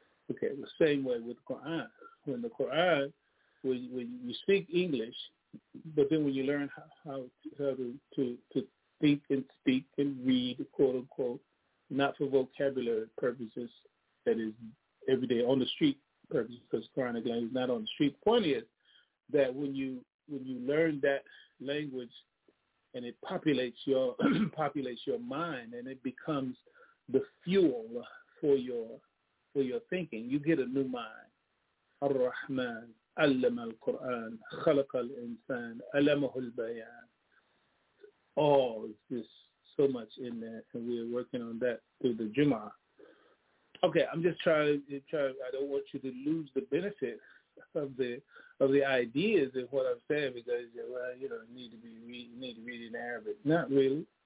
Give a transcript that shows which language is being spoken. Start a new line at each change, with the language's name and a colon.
English: Okay, the same way with Quran. When the Quran, when you speak English, but then when you learn how to think and speak and read, quote unquote, not for vocabulary purposes, that is everyday on the street purposes, because Quranic language is not on the street. Point is that when you learn that language, and it populates your mind, and it becomes the fuel for your thinking, you get a new mind. Ar-Rahman.
Arabic: علم القرآن خلق الإنسان علمه البيان.
English: Oh, there's so much in there, and we're working on that through the Jum'ah. Okay, I'm just trying. I don't want you to lose the benefit of the ideas of what I'm saying, because, well, you know, need to read in Arabic. Not really.